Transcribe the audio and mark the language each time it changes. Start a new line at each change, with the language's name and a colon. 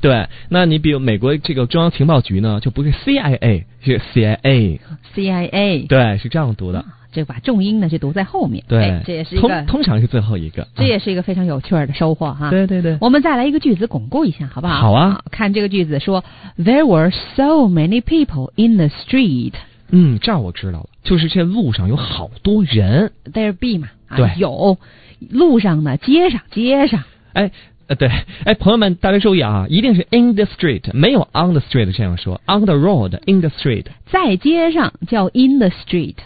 Chinese: 对，那你比如美国这个中央情报局呢，就不是 CIA， 是 CIA。
English: CIA
Chinese: 对，是这样读的。啊、就把重音呢就读在后面。对，这也是一个通常是最后一个。这也是一个非常有趣的收获哈、啊。对对对。我们再来一个句子巩固一下，好不好？好啊。
English: 看这个句子说，There were so many people in the street。
Chinese: 嗯，这儿我知道了，就是这路上有好多人。 There be 嘛、啊，对，有路上呢，街上。哎。对，哎，朋友们，大家注意啊，一定是 in the street， 没有 on the street 这样说 ， on the road， in the street，在街上叫 in the street。